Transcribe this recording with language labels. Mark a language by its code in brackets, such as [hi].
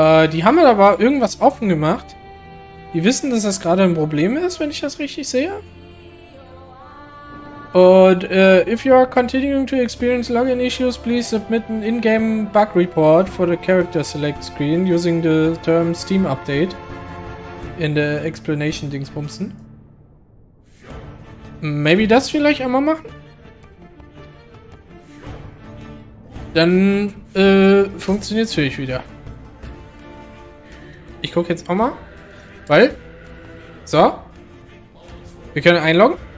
[de] die haben aber irgendwas offen gemacht. Die wissen, dass das gerade ein Problem ist, wenn ich das richtig sehe. [en] Und if you are continuing to experience login issues, please submit an in-game bug report for the character select screen using the term Steam Update in the explanation Dingsbumsen. [de] Maybe das vielleicht einmal machen? Dann funktioniert es für mich wieder. Ich gucke jetzt auch mal, weil, so, wir können einloggen.